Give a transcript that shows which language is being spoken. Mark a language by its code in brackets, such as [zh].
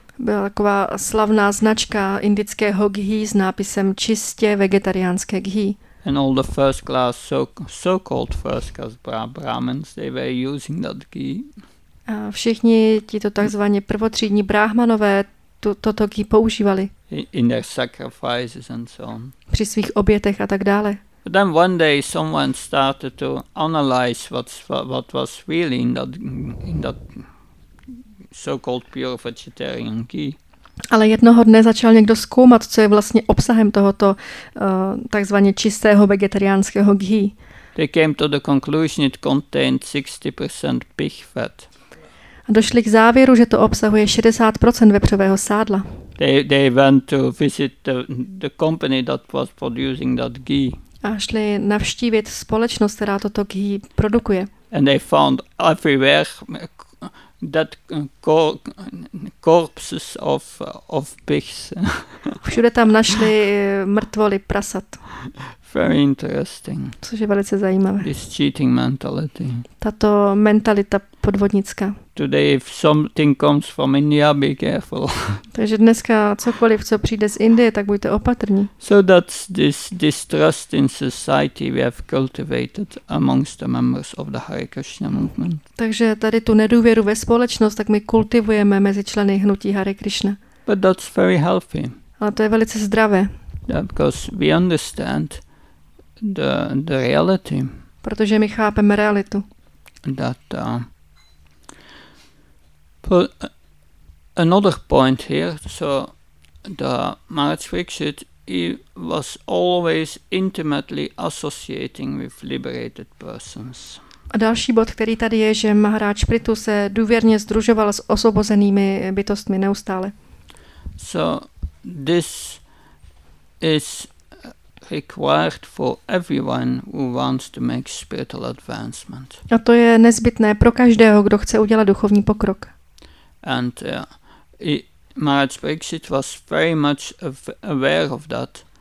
[cs] Byla taková slavná značka indického ghee s nápisem čistě vegetariánské ghee. [en] And all the first class so-called first class brahmins, they were using that ghee. [cs] A všichni tito takzvaně prvotřídní bráhmanové toto ghee používali. [en] In their sacrifices and so on. [cs] Při svých obětech a tak dále. [en] But then one day someone started to analyze what was really in that so-called pure vegetarian ghee. [cs] Ale jednoho dne začal někdo zkoumat, co je vlastně obsahem tohoto takzvaně čistého vegetariánského ghee. [en] They came to the conclusion it contained 60% pig fat. [cs] A došli k závěru, že to obsahuje 60% vepřového sádla. [en] They went to visit the company that was producing that ghee. [cs] A šli navštívit společnost, která toto ghee produkuje. [en] And they found everywhere that corpses of pigs. [cs] Všude tam našli mrtvoly prasat. [en] Very interesting. [cs] Což je velice zajímavé. [en] This cheating mentality. [cs] Tato mentalita podvodnická. [en] Today if something comes from India, be careful. [cs] Takže dneska cokoliv, co přijde z Indie, tak buďte opatrní. [en] So that's this distrust in society we have cultivated amongst the members of the Hare Krishna movement. [cs] Takže tady tu nedůvěru ve společnost, tak my kultivujeme mezi členy hnutí Hare Krishna. [en] But that's very healthy. [cs] Ale to je velice zdravé. [en] Yeah, because we understand the reality. [cs] Protože my chápeme realitu. [en] That but another point here, so the Maharaj Parikshit, he was always intimately associating with liberated persons. [cs] A další bod, který tady je, že Maharaj Pritu se důvěrně združoval s osvobozenými bytostmi neustále. [en] So this is required for everyone who wants to make spiritual advancement. [cs] A to je nezbytné pro každého, kdo chce udělat duchovní pokrok. [en] And Maharaj Parikshit was very much aware of that.